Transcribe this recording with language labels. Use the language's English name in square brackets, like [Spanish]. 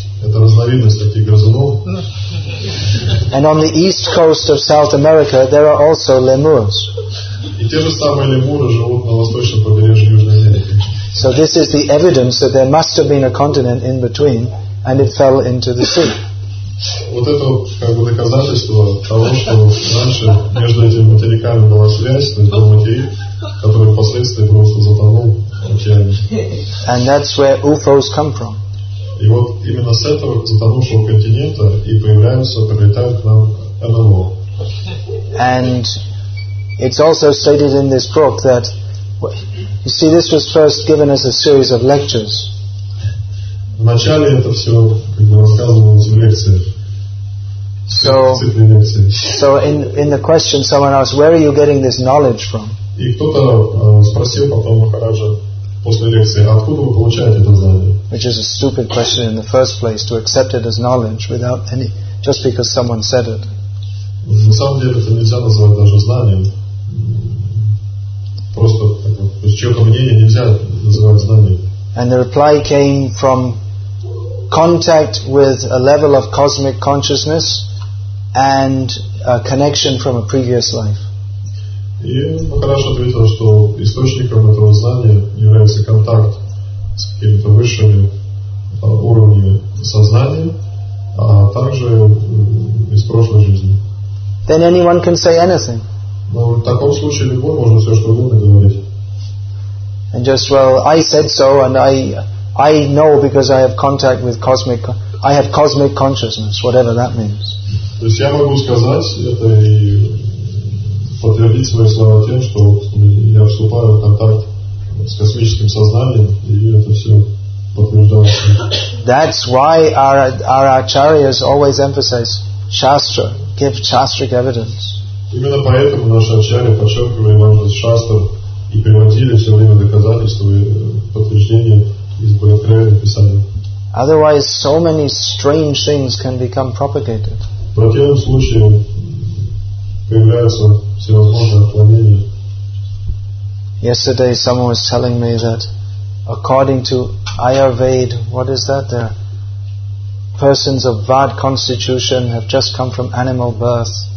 [Russian] Это разновидность таких грызунов. [English] And on the east coast of South America there are also lemurs. [Russian] И те же самые лемуры живут на восточном побережье Южной Америки. [English] So this is the evidence that there must have been a continent in between and it fell into the sea. [Russian] Вот это как бы доказательство того, что раньше между этими материками была связь, то есть был материк, который впоследствии просто затонул. [English] And that's where UFOs come from. [Russian] И вот именно с этого затонувшего континента и появляются, прилетают к нам НЛО. [English] And it's also stated in this book that, you see, this was first given as a series of lectures. [Russian] Вначале это все как бы рассказывалось в лекциях. [English] So in the question someone asked, where are you getting this knowledge from? [Russian] И кто-то спросил потом Махараджа. После лекции, откуда вы получаете это знание? [English] Which is a stupid question in the first place to accept it as knowledge without any just because someone said it. [Russian] На самом деле это нельзя называть даже знанием. Просто чьё-то мнение нельзя называть знанием. [English] And the reply came from contact with a level of cosmic consciousness and a connection from a previous life. [Russian] И Махараш ответил, что источником этого знания является контакт с какими-то высшими уровнями сознания, а также из прошлой жизни. [English] Then anyone can say anything. [Russian] Но в таком случае любой может все что угодно говорить. [English] And just, well, I said so, and I know because I have contact with cosmic, I have cosmic consciousness, whatever that means. [Russian] То есть я могу сказать это и подтвердить свои слова тем, что я вступаю в контакт с космическим сознанием, и это все подтверждается. [English] That's why our acharyas always emphasize shastra, give shastric evidence. [Russian] Именно поэтому наши ачарьи подчеркивали важность шастр и приводили все время доказательства и подтверждения из Бхагавад-гиты писания. [English] Otherwise, so many strange things can become propagated. [Russian] В противном случае появляются всевозможные отклонения. [English] Yesterday someone was telling me that according to Ayurveda, what is that there? Persons of bad constitution have just come from animal birth.